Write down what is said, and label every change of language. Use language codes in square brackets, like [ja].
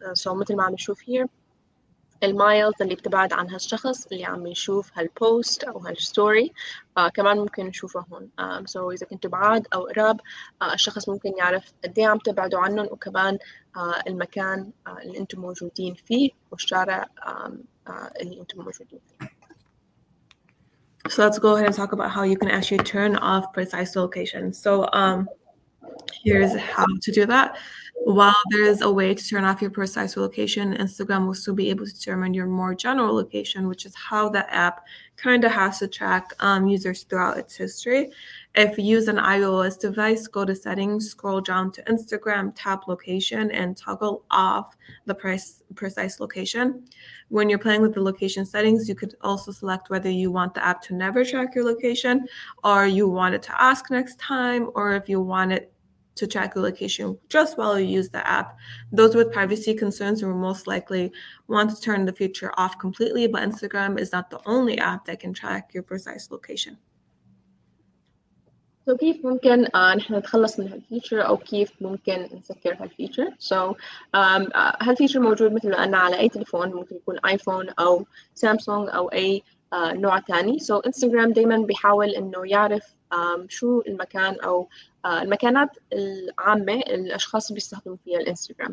[ar] سو مثل ما عم نشوف هير المايلز اللي بتبعد عن هالشخص اللي عم يشوف هالبوست أو هالستوري كمان ممكن نشوفه هون. سو إذا كنتوا بعاد أو قراب الشخص ممكن يعرف قدي عم تبعدوا عنهم، وكمان المكان اللي أنتم موجودين فيه والشارع اللي أنتم موجودين فيه. [en] So let's go ahead and talk about how you can actually turn off precise location. So here's how to do that. While there is a way to turn off your precise location, Instagram will still be able to determine your more general location, which is how the app kind of has to track users throughout its history. If you use an iOS device, go to settings, scroll down to Instagram, tap location, and toggle off the precise location. When you're playing with the location settings, you could also select whether you want the app to never track your location, or you want it to ask next time, or if you want it to track your location just while you use the app. Those with privacy concerns will most likely want to turn the feature off completely, but Instagram is not the only app that can track your precise location. [ar] So كيف ممكن نحن نتخلص من هالفيتشر أو كيف ممكن نسكر هالفيتشر؟ So هالفيتشر موجود مثل ما قلنا على أي تليفون، ممكن يكون آيفون أو سامسونج أو أي نوع تاني. So Instagram دايما بيحاول إنه يعرف شو المكان أو المكانات العامة الأشخاص بيستخدموا فيها الإنستغرام.